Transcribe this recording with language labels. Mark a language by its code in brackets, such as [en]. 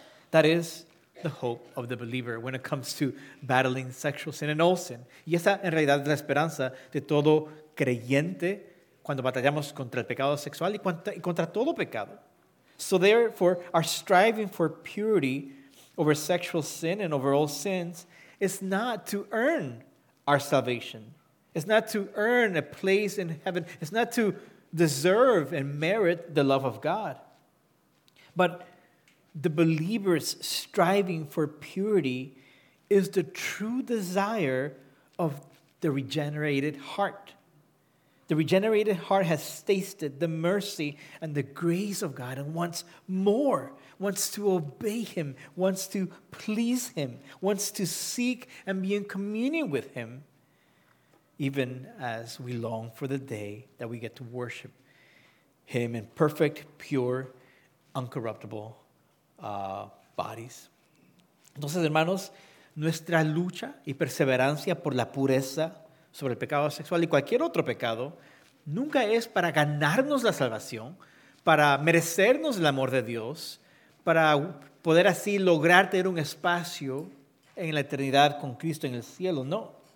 [en] That is the hope of the believer when it comes to battling sexual sin and all sin. [es] Y esa en realidad es la esperanza de todo creyente cuando batallamos contra el pecado sexual y contra todo pecado. [en] So therefore, our striving for purity over sexual sin and over all sins is not to earn our salvation. It's not to earn a place in heaven. It's not to deserve and merit the love of God. But the believer's striving for purity is the true desire of the regenerated heart. The regenerated heart has tasted the mercy and the grace of God and wants more, wants to obey Him, wants to please Him, wants to seek and be in communion with Him, even as we long for the day that we get to worship Him in perfect, pure, uncorruptible bodies. [es] Entonces, hermanos, nuestra lucha y perseverancia por la pureza sobre el pecado sexual y cualquier otro pecado nunca es para ganarnos la salvación, para merecernos el amor de Dios, para poder así lograr tener un espacio en la eternidad con Cristo en el cielo. No.